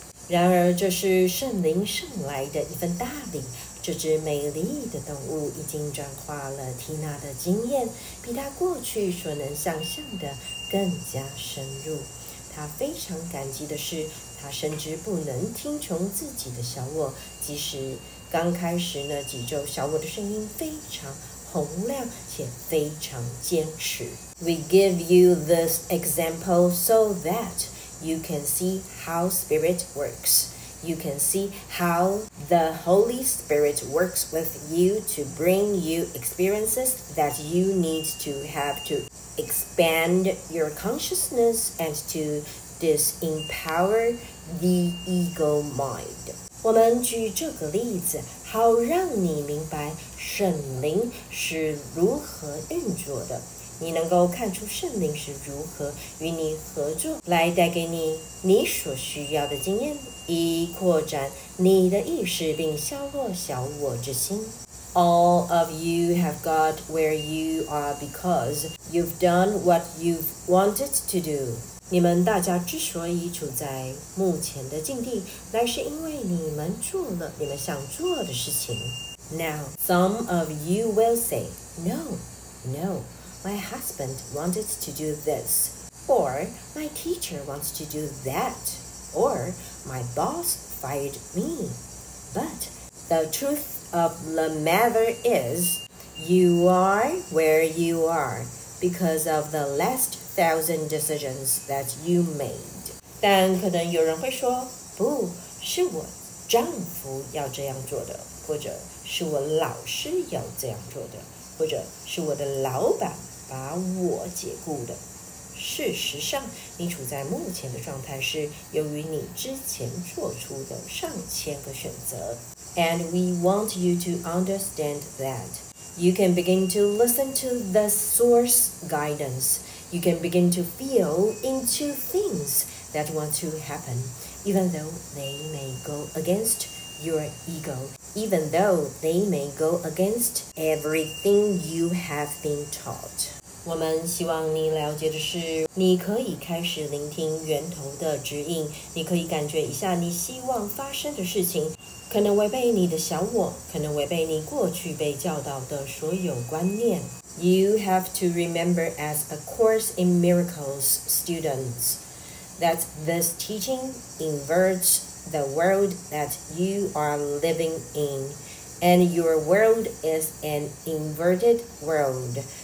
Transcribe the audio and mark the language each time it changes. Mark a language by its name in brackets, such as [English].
[Chinese] 然而，这是圣灵圣来的一份大礼。这只美丽的动物已经转化了缇娜的经验，比她过去所能想象的更加深入。她非常感激的是，她深知不能听从自己的小我，即使刚开始那几周，小我的声音非常洪亮且非常坚持。 [English] We give you this example so that you can see how spirit works. You can see how the Holy Spirit works with you to bring you experiences that you need to have to expand your consciousness and to disempower the ego mind. [Chinese] 我们举这个例子，好让你明白圣灵是如何运作的。你能够看出圣灵是如何与你合作，来带给你你所需要的经验，以扩展你的意识并削弱小我之心。 [English] All of you have got where you are because you've done what you've wanted to do. [Chinese] 你们大家之所以处在目前的境地，乃是因为你们做了你们想做的事情。 [English] Now, some of you will say, No, no. My husband wanted to do this, or my teacher wants to do that, or my boss fired me. But the truth of the matter is, you are where you are because of the last 1,000 decisions that you made. [Chinese] 但可能有人会说，不，是我丈夫要这样做的，或者是我老师要这样做的，或者是我的老板把我解雇的。事实上，你处在目前的状态是由于你之前做出的上千个选择。 [English] And we want you to understand that. You can begin to listen to the source guidance. You can begin to feel into things that want to happen, even though they may go against your ego, even though they may go against everything you have been taught. [Chinese] 我们希望你了解的是，你可以开始聆听源头的指引，你可以感觉一下你希望发生的事情，可能违背你的小我，可能违背你过去被教导的所有观念。 [English] You have to remember as a Course in Miracles student that this teaching inverts the world that you are living in, and your world is an inverted world.